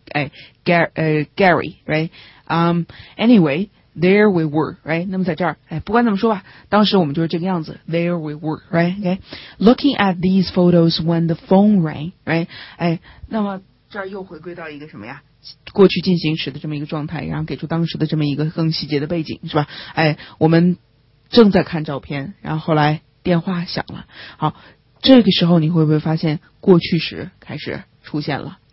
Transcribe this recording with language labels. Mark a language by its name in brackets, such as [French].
[English] 哎 ,Gary, right?Anyway,There we were, right? [Chinese] 那么在这儿，哎，不管怎么说吧，当时我们就是这个样子。 [English] There we were, right? Okay. Looking at these photos when the phone rang, right? [Chinese] 哎，那么这儿又回归到一个什么呀？过去进行时的这么一个状态，然后给出当时的这么一个更细节的背景，是吧？哎，我们正在看照片，然后后来电话响了。好，这个时候你会不会发现过去时开始出现了？